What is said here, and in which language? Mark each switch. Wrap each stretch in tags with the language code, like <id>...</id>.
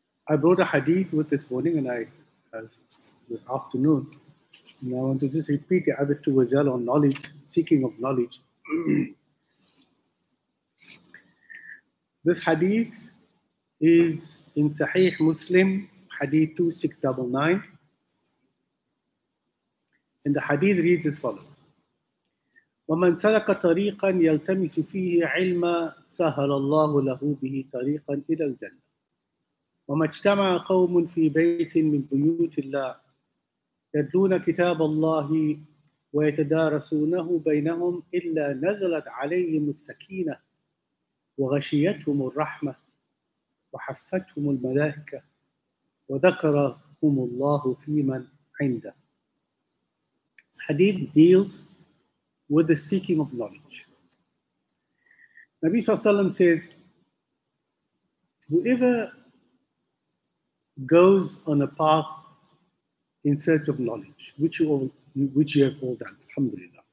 <en>I brought a hadith with this morning and I as this afternoon, and I want to just repeat the other two as well on knowledge, seeking of knowledge. This hadith is in Sahih Muslim, hadith 2699, and the hadith reads as follows:</en> <ar>وَمَنْ سَلَكَ طَرِيقًا يَلْتَمِسُ فِيهِ عِلْمًا سَهَلَ اللَّهُ لَهُ بِهِ طَرِيقًا إِلَى الْجَنَّةِ ومجتمع قوم في بيت من بيوت الله يدلون كتاب الله ويتدارسونه بينهم إلا نزلت عليهم السكينة وغشيتهم الرحمة وحفتهم الملائكة وذكرهم الله فيمن عنده.</ar> <en>This hadith deals with the seeking of knowledge. Nabi sallallahu alayhi wa sallam says, whoever goes on a path in search of knowledge, which you have all done, alhamdulillah.</en>